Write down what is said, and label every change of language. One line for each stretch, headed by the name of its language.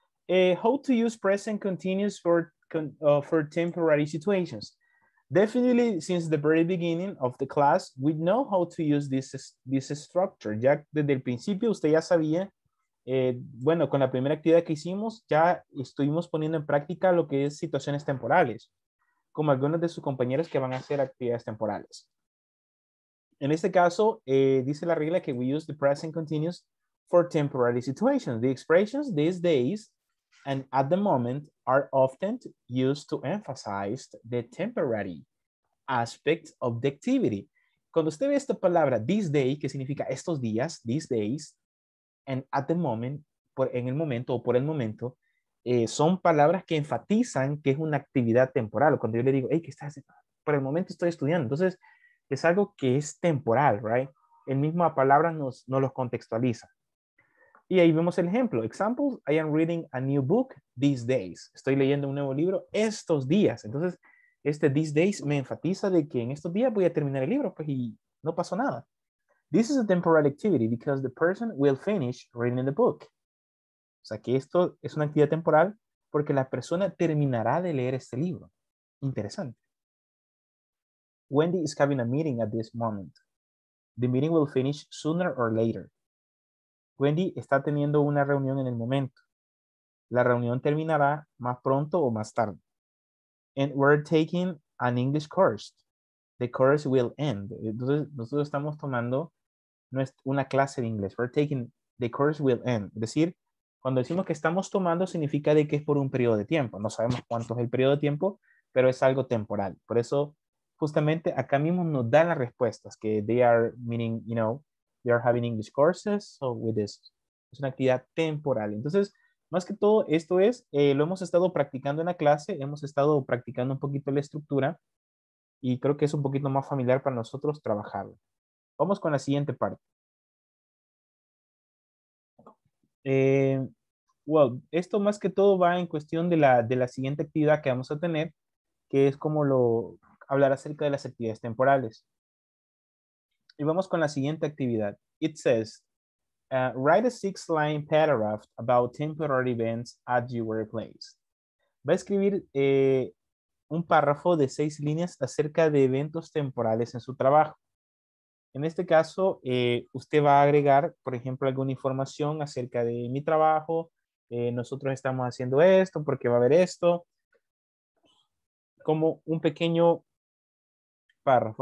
English: How to use present continuous for temporary situations. Definitely, since the very beginning of the class, we know how to use this structure.
Spanish: Ya desde el principio, usted ya sabía, con la primera actividad que hicimos, ya estuvimos poniendo en práctica lo que es situaciones temporales, como algunos de sus compañeros que van a hacer actividades temporales. En este caso, dice la regla que
English: we use the present continuous for temporary situations. The expressions these days and at the moment are often used to emphasize the temporary aspect of the activity.
Spanish: Cuando usted ve esta palabra,
English: this day,
Spanish: que significa estos días,
English: these days, and at the moment,
Spanish: por el momento, son palabras que enfatizan que es una actividad temporal. Cuando yo le digo, hey, ¿qué estás haciendo? Por el momento estoy estudiando. Entonces, es algo que es temporal, right? El mismo palabra nos los contextualiza. Y ahí vemos el ejemplo.
English: Examples, I am reading a new book these days.
Spanish: Estoy leyendo un nuevo libro estos días. Entonces, este
English: these days
Spanish: me enfatiza de que en estos días voy a terminar el libro, pues, y no pasó nada.
English: This is a temporary activity because the person will finish reading the book.
Spanish: O sea, que esto es una actividad temporal porque la persona terminará de leer este libro. Interesante.
English: Wendy is having a meeting at this moment. The meeting will finish sooner or later.
Spanish: Wendy está teniendo una reunión en el momento. La reunión terminará más pronto o más tarde.
English: And we're taking an English course. The course will end.
Spanish: Entonces, nosotros estamos tomando una clase de inglés.
English: We're taking, the course will end.
Spanish: Es decir, cuando decimos que estamos tomando, significa de que es por un periodo de tiempo. No sabemos cuánto es el periodo de tiempo, pero es algo temporal. Por eso, justamente, acá mismo nos dan las respuestas, que
English: they are meaning, you know, they are having English courses, so with this.
Spanish: Es una actividad temporal. Entonces, más que todo, esto es, lo hemos estado practicando en la clase, hemos estado practicando un poquito la estructura, y creo que es un poquito más familiar para nosotros trabajarlo. Vamos con la siguiente parte. Esto más que todo va en cuestión de la siguiente actividad que vamos a tener, que es como hablar acerca de las actividades temporales. Y vamos con la siguiente actividad.
English: It says, write a 6-line paragraph about temporary events at your workplace.
Spanish: Va a escribir un párrafo de 6 líneas acerca de eventos temporales en su trabajo. En este caso, usted va a agregar, por ejemplo, alguna información acerca de mi trabajo. Nosotros estamos haciendo esto, porque va a haber esto. Como un pequeño párrafo.